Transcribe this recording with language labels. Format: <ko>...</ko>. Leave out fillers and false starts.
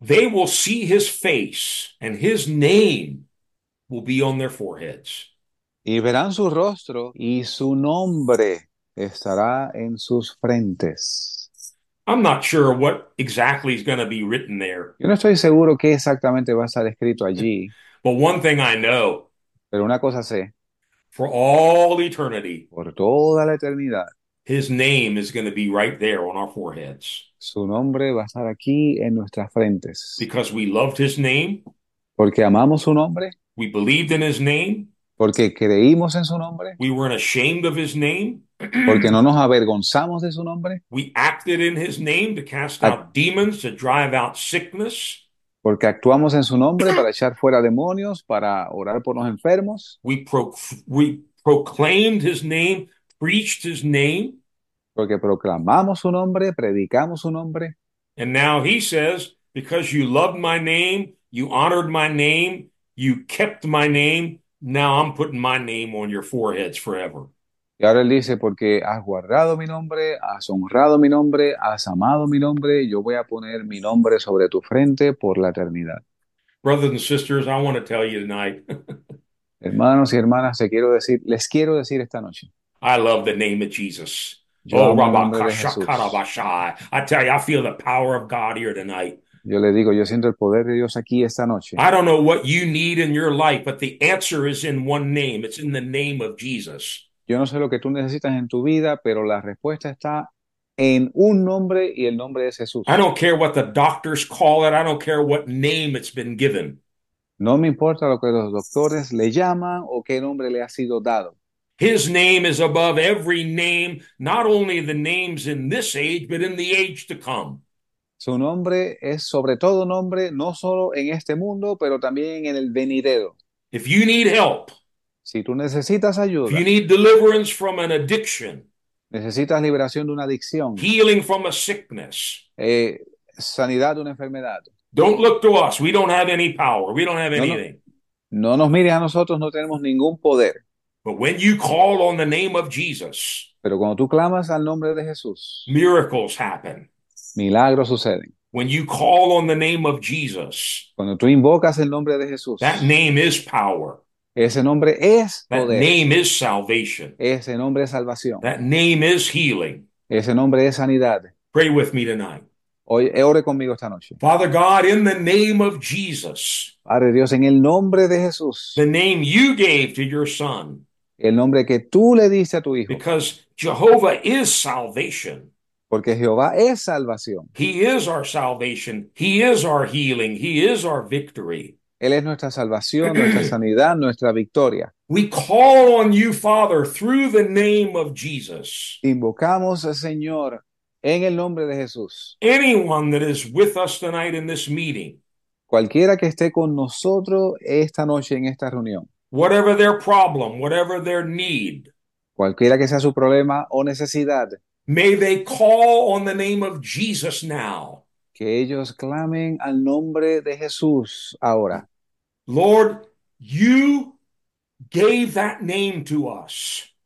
<en>They will see his face, and his name will be on their foreheads.</en> <es>Y verán su rostro y su nombre estará en sus frentes.</es> <en>I'm not sure what exactly is going to be written there.</en> <es>Yo no estoy seguro qué exactamente va a estar escrito allí,</es> <en>One thing I know.</en> <es>pero una cosa sé,</es> <en>For all eternity,</en> <es>por toda la eternidad,</es> <en>his name is going to be right there on our foreheads.</en> <es>su nombre va a estar aquí en nuestras frentes.</es> <en>Because we loved his name,</en> <es>Porque amamos su nombre,</es> <en>we believed in his name,</en> <es>porque creímos en su nombre.</es> <en>we weren't ashamed of his name,</en> <es>Porque no nos avergonzamos de su nombre.</es> <en>we acted in his name to cast out demons, to drive out sickness.</en> <es>Porque actuamos en su nombre para echar fuera demonios, para orar por los enfermos.</es> <en>We proclaimed his name, preached his name.</en> <es>Porque proclamamos su nombre, predicamos su nombre.</es> <en>And now he says, because you loved my name, you honored my name, you kept my name, now I'm putting my name on your foreheads forever.</en> <es>Y ahora él dice, porque has guardado mi nombre, has honrado mi nombre, has amado mi nombre, yo voy a poner mi nombre sobre tu frente por la eternidad.</es> <en>Brothers and sisters, I want to tell you tonight.</en> <es>Hermanos y hermanas, les quiero decir esta noche.</es> <en>I love the name of Jesus.</en> <es>Yo Oh, amo el Rabba nombre de Kasha Jesús. Karabashai.</es> <en>I tell you, I feel the power of God here tonight.</en> <es>Yo le digo, yo siento el poder de Dios aquí esta noche.</es> <en>I don't know what you need in your life, but the answer is in one name. It's in the name of Jesus.</en> <es>Yo no sé lo que tú necesitas en tu vida, pero la respuesta está en un nombre y el nombre es</es> <en>I</en> <es>Jesús.</es> <en>don't care what the doctors call it. I don't care what name it's been given.</en> <es>No me importa lo que los doctores le llaman o qué nombre le ha sido dado.</es> <en>His name is above every name, not only the names in this age, but in the age to come.</en> <es>Su nombre es sobre todo nombre, no solo en este mundo, pero también en el venidero.</es> <en>If you need help,</en> <es>Si tú necesitas</es> <en>if you</en> <es>ayuda,</es> <en>need deliverance from an addiction,</en> <es>necesitas liberación de una adicción,</es> <en>healing from a sickness,</en> <es>sanidad de una enfermedad.</es> <en>don't look to us. We don't have any power. We don't have</en> <es>No, no,</es> <en>anything.</en> <es>no nos mires a nosotros, no tenemos ningún poder.</es> <en>But when you call on the name of Jesus,</en> <es>Pero cuando tú clamas al nombre de Jesús,</es> <en>miracles happen.</en> <es>milagros suceden.</es> <en>When you call on the name of Jesus,</en> <es>Cuando tú invocas el nombre de</es> <en>that</en> <es>Jesús,</es> <en>name is power.</en> <es>ese nombre es</es> <en>That</en> <es>poder.</es> <en>name is salvation.</en> <es>Ese nombre es salvación.</es> <en>That name is healing.</en> <es>Ese nombre es sanidad.</es> <en>Pray with me tonight.</en> <es>Oye, ore conmigo esta noche.</es> <en>Father God, in the name of Jesus,</en> <es>Padre Dios, en el nombre de</es> <en>the</en> <es>Jesús,</es> <en>name you gave to your son,</en> <es>el nombre que tú le diste a tu hijo,</es> <en>because Jehovah is salvation.</en> <es>porque Jehová es salvación.</es> <en>He is our salvation. He is our healing. He is our victory.</en> <es>Él es nuestra salvación, nuestra sanidad, nuestra victoria.</es> <en>We call on you, Father, through the name of Jesus.</en> <es>Invocamos al Señor en el nombre de Jesús.</es> <en>Anyone that is with us tonight in this meeting,</en> <es>Cualquiera que esté con nosotros esta noche en esta reunión,</es> <en>whatever their problem, whatever their need,</en> <es>cualquiera que sea su problema o necesidad,</es> <en>may they call on the name of Jesus now.</en> <es>que ellos clamen al nombre de Jesús ahora.</es> <en>Lord, you gave that name to us.</en>